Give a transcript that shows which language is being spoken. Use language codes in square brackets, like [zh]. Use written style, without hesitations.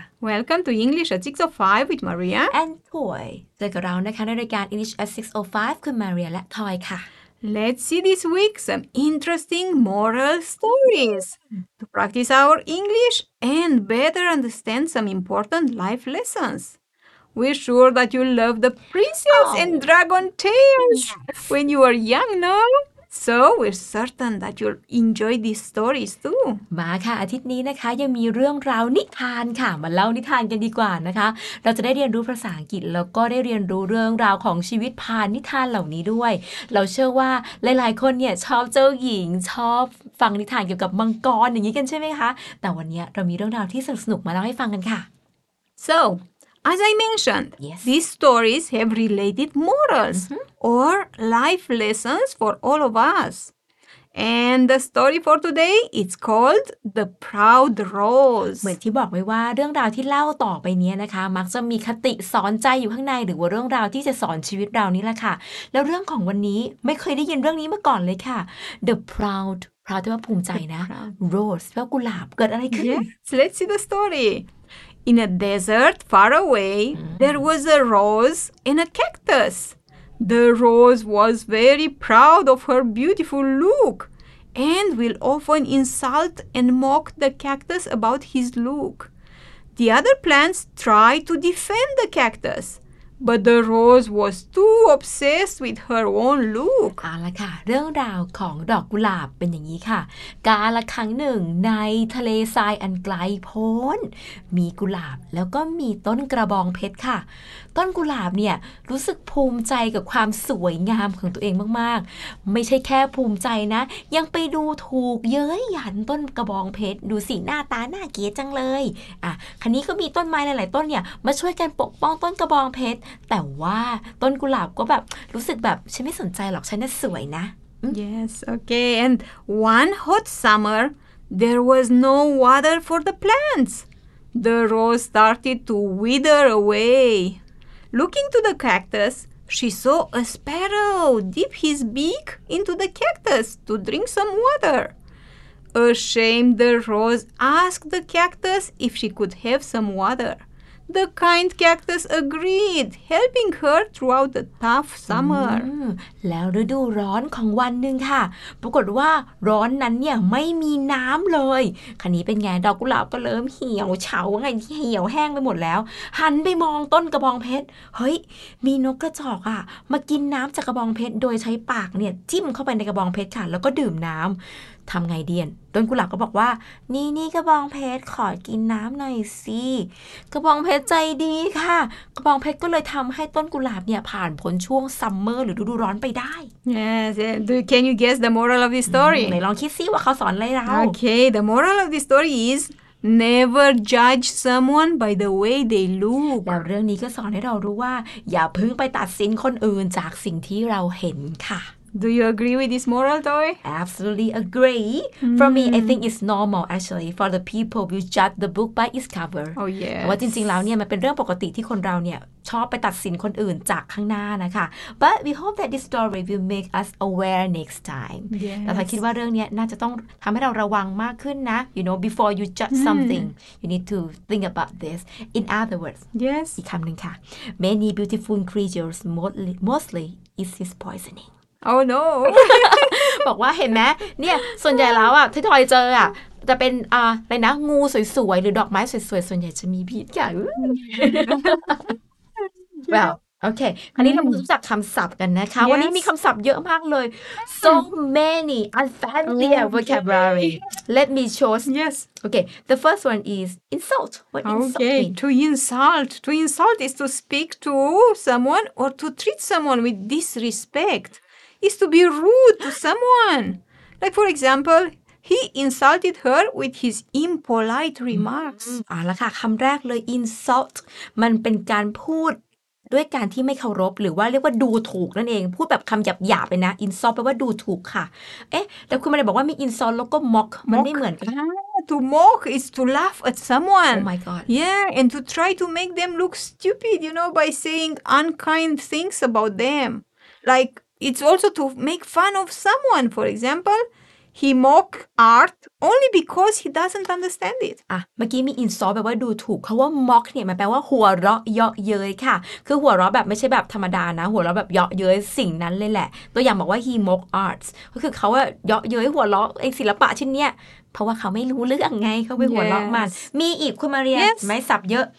[en] Welcome to English at 6:05 with Maria and Toy. [th] เจอกับเรานะคะในรายการ English at 6:05 คุณ Maria และ Toy ค่ะ [en] Let's see this week some interesting moral stories to practice our English and better understand some important life lessons. We're sure that you love the princess and dragon tales when you were young, no? So we're certain that you'll enjoy these stories too. [th] มาค่ะอาทิตย์นี้นะคะยังมีเรื่องราวนิทานค่ะมาเล่านิทานกันดีกว่านะคะเราจะได้เรียนรู้ภาษาอังกฤษแล้วก็ได้เรียนรู้เรื่องราวของชีวิตผ่านนิทานเหล่านี้ด้วยเราเชื่อว่าหลายๆคนเนี่ยชอบเจ้าหญิงชอบฟังนิทานเกี่ยวกับมังกรอย่างนี้กันใช่ไหมคะแต่วันนี้เรามีเรื่องราวที่สนุกมาเล่าให้ฟังกันค่ะ [en] So. As I mentioned, yes. These stories have related morals or life lessons for all of us. And the story for today, it's called The Proud Rose. [th] เหมือนที่บอกไว้ว่าเรื่องราวที่เล่าต่อไปนี้นะคะมักจะมีคติสอนใจอยู่ข้างในหรือว่าเรื่องราวที่จะสอนชีวิตเรานี่แหละค่ะแล้วเรื่องของวันนี้ไม่เคยได้ยินเรื่องนี้มาก่อนเลยค่ะ The Proud Rose ที่ว่าภูมิใจนะ Rose แปลว่ากุหลาบเกิดอะไรขึ้น [en] Yes, let's see the story. In a desert far away, there was a rose and a cactus. The rose was very proud of her beautiful look and will often insult and mock the cactus about his look. The other plants tried to defend the cactus, but the rose was too obsessed with her own look. [th] เอาละค่ะเรื่องราวของดอกกุหลาบเป็นอย่างนี้ค่ะกาลครั้งหนึ่งในทะเลทรายอันไกลโพ้นมีกุหลาบแล้วก็มีต้นกระบองเพชรค่ะ ต้นกุหลาบเนี่ยรู้สึกภูมิใจกับความสวยงามของตัวเองมากๆไม่ใช่แค่ภูมิใจนะยังไปดูถูกเย้ยหยันต้นกระบองเพชรดูสิหน้าตาน่าเกลียดจังเลยอ่ะครั้งนี้ก็มีต้นไม้หลายๆต้นเนี่ยมาช่วยกันปกป้องต้นกระบองเพชรแต่ว่าต้นกุหลาบก็แบบรู้สึกแบบฉันไม่สนใจหรอกฉันน่ะสวยนะ [en] Yes okay and one hot summer there was no water for the plants the rose started to wither away looking to the cactus she saw a sparrow dip his beak into the cactus to drink some water ashamed the rose asked the cactus if she could have some waterThe kind cactus agreed, helping her throughout the tough summer. [th] แล้วฤดูร้อนของวันหนึ่งค่ะปรากฏว่าร้อนนั้นเนี่ยไม่มีน้ำเลยคันนี้เป็นไงดอกกุหลาบก็เริ่มเหี่ยวเฉาไงที่เหี่ยวแห้งไปหมดแล้วหันไปมองต้นกระบองเพชรเฮ้ยมีนกกระจอกอ่ะมากินน้ำจากกระบองเพชรโดยใช้ปากเนี่ยจิ้มเข้าไปในกระบองเพชรค่ะแล้วก็ดื่มน้ำทำไงเดียนต้นกุหลาบก็บอกว่า นี่กระบองเพชรขอกินน้ำหน่อยสิกระบองเพชรใจดีค่ะกระบองเพชรก็เลยทำให้ต้นกุหลาบเนี่ยผ่านพ้นช่วงซัมเมอร์หรือฤดูร้อนไปได้ [en] Yes, can you guess the moral of this story? [th] ไหนลองคิดซิว่าเขาสอนอะไรเรา [en] Okay, the moral of this story is never judge someone by the way they look [th] เรื่องนี้ก็สอนให้เรารู้ว่าอย่าพึ่งไปตัดสินคนอื่นจากสิ่งที่เราเห็นค่ะ [en] Do you agree with this moral, Toy? Absolutely agree. For me, I think it's normal, actually, for the people who judge the book by its cover. Oh, yes. [th] ว่าจริงๆแล้วเนี่ยมันเป็นเรื่องปกติที่คนเราเนี่ยชอบไปตัดสินคนอื่นจากข้างหน้านะคะ [en] But we hope that this story will make us aware next time. Yes. [th] แต่ถ้าคิดว่าเรื่องนี้น่าจะต้องทำให้เราระวังมากขึ้นนะ [en] You know, before you judge something, you need to think about this. In other words, yes. [th] อีกคำหนึ่งค่ะ [en] Many beautiful creatures mostly is his poisoning. Oh no! [th] บอกว่าเห็นไหมเนี่ยส่วนใหญ่แล้วอ่ะที่ทอยเจออ่ะจะเป็นอะไรนะงูสวยๆหรือดอกไม้สวยๆส่วนใหญ่จะมีพิษค่ะ [en] Well, okay. [th] คราวนี้เรามาทุกจักคำศัพท์กันนะคะวันนี้มีคำศัพท์เยอะมากเลย [en] So many unfamiliar vocabulary. Let me choose. Yes. Okay. The first one is insult. What insult? Okay. To insult. To insult is to speak to someone or to treat someone with disrespect. Is to be rude to someone. Like, for example, he insulted her with his impolite remarks. [th] อ่าล่ะค่ะคำแรกเลย insult มันเป็นการพูดด้วยการที่ไม่เคารพหรือว่าเรียกว่าดูถูกนั่นเองพูดแบบคำหยาบๆไปนะ insult แปลว่าดูถูกค่ะเอ๊ะแต่คุณมาเลยบอกว่ามี insult แล้วก็ mock มันไม่เหมือนกัน [en] To mock is to laugh at someone. Oh my god. Yeah, and to try to make them look stupid, you know, by saying unkind things about them. Like, It's also to make fun of someone. For example, he mock art only because he doesn't understand it. [th] อ่ะเมื่อกี้มี insult แปลว่าดูถูกคำว่า mock เนี่ยมันแปลว่าหัวเราะเยาะเย้ยค่ะคือหัวเราะแบบไม่ใช่แบบธรรมดานะหัวเราะแบบเยาะเย้ยสิ่งนั้นเลยแหละตัวอย่างบอกว่า [en] he mock arts [th] ก็คือเขาอะเยาะเย้ยหัวเราะไอศิลปะชิ้นเนี้ยเพราะว่าเขาไม่รู้เรื่องไงเขาไปหัวเราะมันมีอีกคุณมาเรียนไม่สับเยอะ